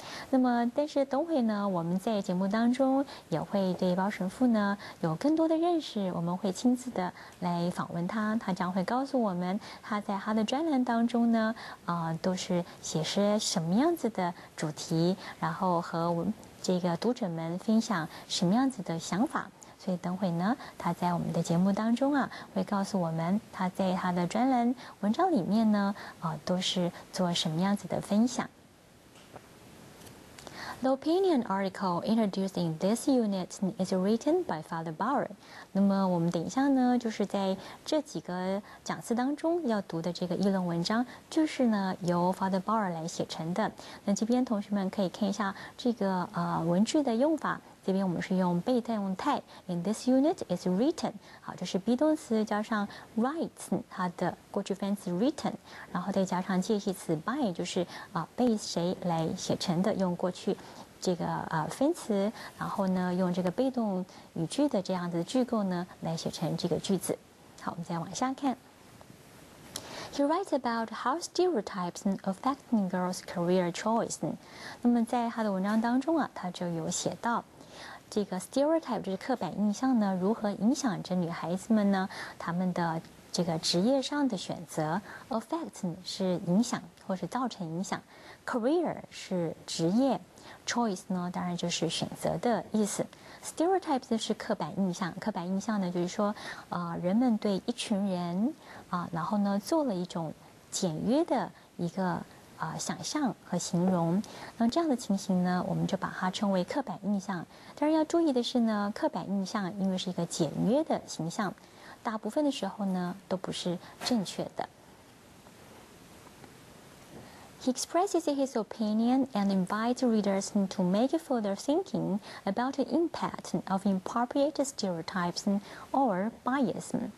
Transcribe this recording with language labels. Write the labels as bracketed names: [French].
[Chinese] 那么但是等会呢我们在节目当中也会对包神父呢有更多的认识，我们会亲自的来访问他，他将会告诉我们他在他的专栏当中呢都是写些什么样子的主题，然后和我们这个读者们分享什么样子的想法。所以等会呢他在我们的节目当中啊会告诉我们他在他的专栏文章里面呢都是做什么样子的分享。 [English] The opinion article introduced in this unit is written by Father Bauer. [Chinese] 那么我们等一下呢，就是在这几个讲次当中要读的这个议论文章，就是呢由 Father Bauer 来写成的。那这边同学们可以看一下这个文句的用法。这边我们是用被动态 ， [English] in this unit is written， [Chinese] 好，就是 be 动词加上 write， 它的过去分词 written， 然后再加上介系词 by， 就是被谁来写成的，用过去这个分词，然后呢用这个被动语句的这样子句构呢来写成这个句子。好，我们再往下看。 [English] He writes about how stereotypes affecting girls' career choice。 [Chinese] 那么在他的文章当中啊，他就有写到。这个 stereotype 就是刻板印象呢，如何影响着女孩子们呢？她们的这个职业上的选择 ，affect 是影响或是造成影响 ，career 是职业 ，choice 呢当然就是选择的意思。 stereotypes 是刻板印象，刻板印象呢就是说，人们对一群人然后呢做了一种简约的一个。想象和形容，那这样的情形呢我们就把它称为刻板印象。当然要注意的是呢，刻板印象因为是一个简约的形象，大部分的时候呢都不是正确的。 [English] He expresses his opinion and invites readers to make further thinking about the impact of inappropriate stereotypes or bias。